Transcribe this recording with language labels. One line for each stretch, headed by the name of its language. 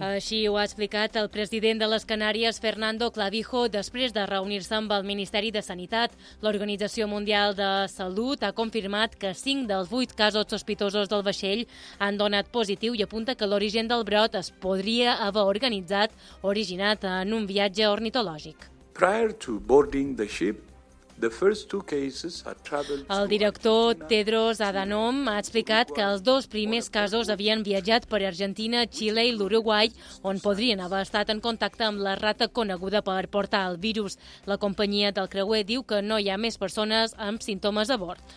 Catalan: Així ho ha explicat el president de les Canàries, Fernando Clavijo, després de reunir-se amb el Ministeri de Sanitat. L'Organització Mundial de Salut ha confirmat que 5 dels 8 casos sospitosos del vaixell han donat positiu i apunta que l'origen del brot es podria haver organitzat, originat en un viatge ornitològic.
English: Prior to boarding the ship, the first two cases had traveled.
Catalan: El director Tedros Adhanom ha explicat que els dos primers casos havien viatjat per Argentina, Xile i l'Uruguai, on podrien haver estat en contacte amb la rata coneguda per portar el virus. La companyia del creuer diu que no hi ha més persones amb símptomes a bord.